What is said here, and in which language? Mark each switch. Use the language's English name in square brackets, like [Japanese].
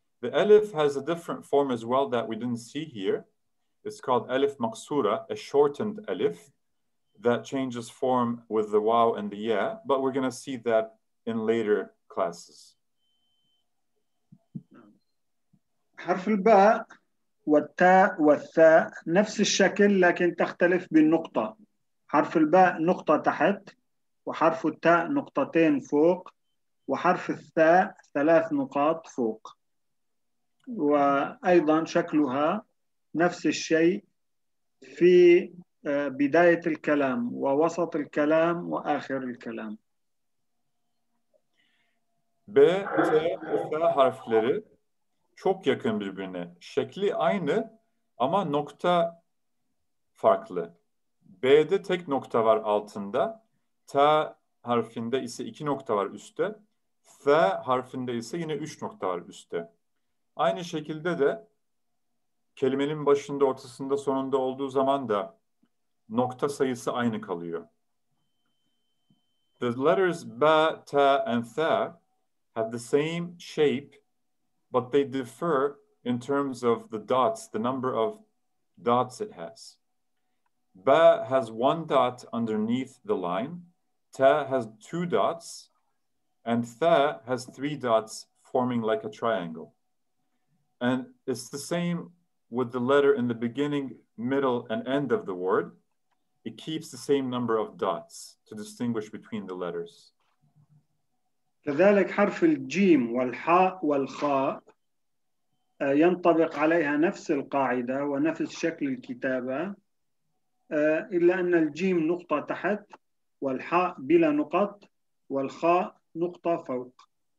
[English] The elif has a different form as well that we didn't see here. It's called elif maksura, a shortened elif that changes form with the waw and the ya, but we're going to see that in later classes. [Arabic] حرف الباء والتاء والثاء نفس الشكل لكن تختلف بالنقطة. حرف الباء نقطة تحت، وحرف التاء نقطتين فوق، وحرف الثاء ثلاث نقاط فوق. وأيضا شكلها نفس الشيء في بداية الكلام ووسط الكلام وآخر الكلام. [Turkish] B, T ve F harfleri çok yakın birbirine. Şekli aynı ama nokta farklı. B'de tek nokta var altında. T harfinde ise iki nokta var üstte. F harfinde ise yine üç nokta var üstte. Aynı şekilde de kelimenin başında, ortasında, sonunda olduğu zaman da nokta sayısı aynı kalıyor. [English] The letters B, T and F have the same shape, but they differ in terms of the dots, the number of dots it has. Ba has one dot underneath the line, ta has two dots, and tha has three dots forming like a triangle. And it's the same with the letter in the beginning, middle, and end of the word. It keeps the same number of dots to distinguish between the letters. [Arabic] كذلك حرف الجيم والحاء والخاء ينطبق عليها نفس القاعدة ونفس شكل الكتابة، إلا أن الجيم نقطة تحت والحاء بلا نقط والخاء نقطة فوق.